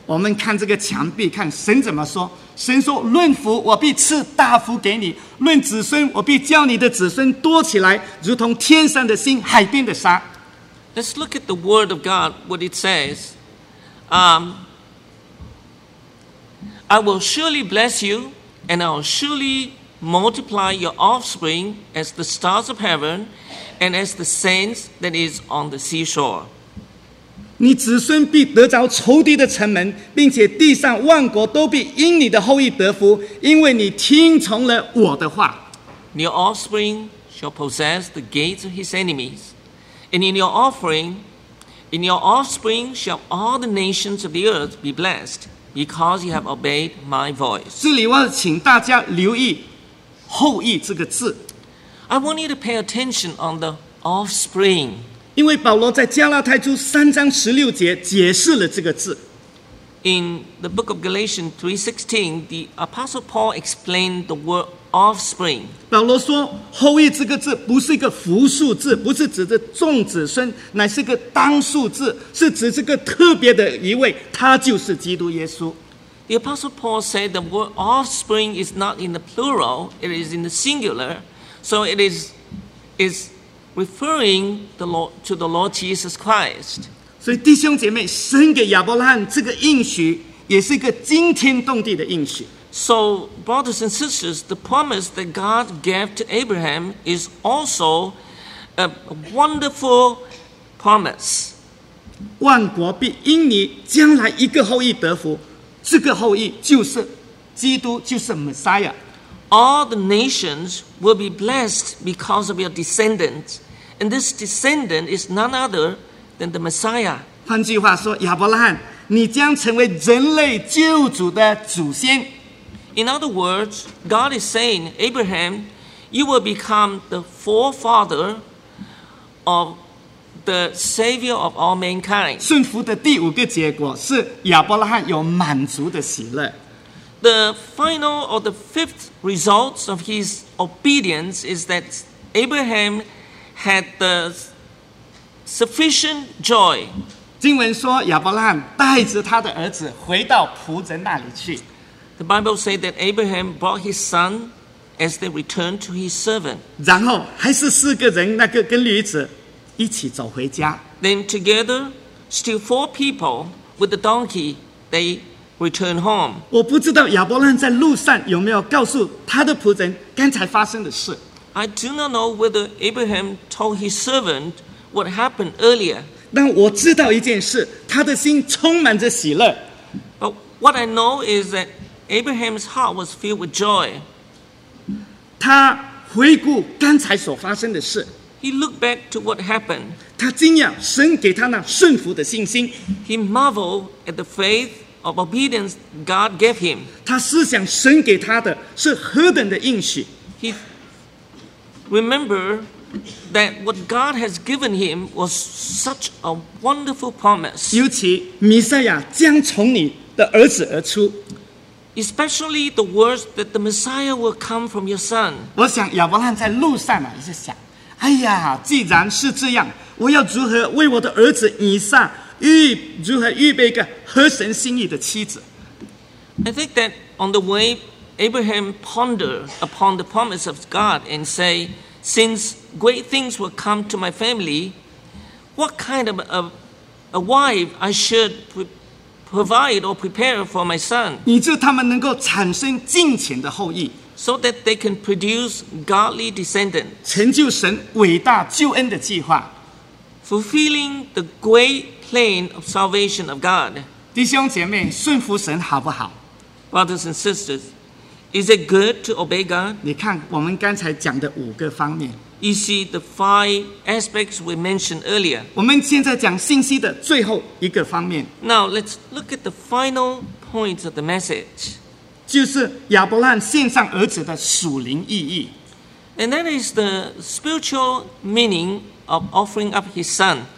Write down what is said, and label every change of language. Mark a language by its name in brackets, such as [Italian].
[Chinese] 我们看这个墙壁，看神怎么说。神说：“论福，我必赐大福给你；论子孙，我必叫你的子孙多起来，如同天上的星，海边的沙。” [English] Let's look at the word of God. What it says, I will surely bless you, and I will surely multiply your offspring as the stars of heaven, and as the sands that is on the seashore. [Chinese] 你子孙必得着仇敌的城门，并且地上万国都必因你的后裔得福，因为你听从了我的话。 [English] Your offspring shall possess the gates of his enemies, and in your offspring shall all the nations of the earth be blessed. Because you have obeyed my voice. [Chinese] 这里我要请大家留意后裔这个字。 [English] I want you to pay attention on the offspring. [Chinese] 因为保罗在加拉太书三章十六节解释了这个字。 [English] In the book of Galatians 3:16, the Apostle Paul explained the word offspring. [Chinese] 保罗说后裔这个字不是一个复数字，不是指的众子孙，乃是个单数字，是指这个特别的一位，他就是基督耶稣。 [English] The Apostle Paul said the word offspring is not in the plural, it is in the singular. So it is referring to the Lord Jesus Christ. [Chinese] 所以弟兄姐妹，神给亚伯拉罕这个应许也是一个惊天动地的应许。 [English] So, brothers and sisters, the promise that God gave to Abraham is also a wonderful promise. [Chinese] 万国必因你将来一个后裔得福，这个后裔就是基督，就是 Messiah. [English] All the nations will be blessed because of your descendants, and this descendant is none other than the Messiah. [Chinese] 换句话说，亚伯拉罕，你将成为人类救主的祖先。 [English] In other words, God is saying, Abraham, you will become the forefather of the Savior of all mankind. [Chinese] 顺服的第五个结果是亚伯拉罕有满足的喜乐。 [English] The final or the fifth result of his obedience is that Abraham had the sufficient joy. [Chinese] 经文说亚伯拉罕带着他的儿子回到仆人那里去。 [English] The Bible says that Abraham brought his son as they returned to his servant. [Chinese] 然后还是四个人，那个跟驴子一起走回家。 [English] Then together, still four people with the donkey, they returned home. [Chinese] 我不知道亚伯拉罕在路上有没有告诉他的仆人刚才发生的事。 [English] I do not know whether Abraham told his servant what happened earlier. [Chinese] 但我知道一件事，他的心充满着喜乐。 [English] But what I know is that Abraham's heart was filled with joy. [Chinese] 他回顾刚才所发生的事。 [English] He looked back to what happened. [Chinese] 他惊讶神给他那顺服的信心。 [English] He marveled at the faith of obedience God gave him. [Chinese] 他思想神给他的是何等的应许。 [English] He remembered that what God has given him was such a wonderful promise. [Chinese] 尤其弥赛亚将从你的儿子而出。 [English] Especially the words that the Messiah will come from your son. [Chinese] 我想亚伯拉罕在路上呢，也是想，哎呀，既然是这样，我要如何为我的儿子以撒如何预备一个合神心意的妻子 [English] ？I think that on the way, Abraham pondered upon the promise of God and say, since great things will come to my family, what kind of a wife I should provide or prepare for my son, [Chinese] 以致他们能够产生敬虔的后裔 [English] so that they can produce godly descendants, [Chinese] 成就神伟大救恩的计划 [English] fulfilling the great plan of salvation of God. [Chinese] 弟兄姐妹，顺服神好不好？ [English] brothers and sisters, is it good to obey God? [Chinese] 你看我们刚才讲的五个方面。 [English] You see the five aspects we mentioned earlier. [Chinese] 我们现在讲信息的最后一个方面。 [English] Now let's look at the final point of the message. [Chinese] 就是亚伯拉罕献上儿子的属灵意义。 [English] And that is the spiritual meaning of offering up his son.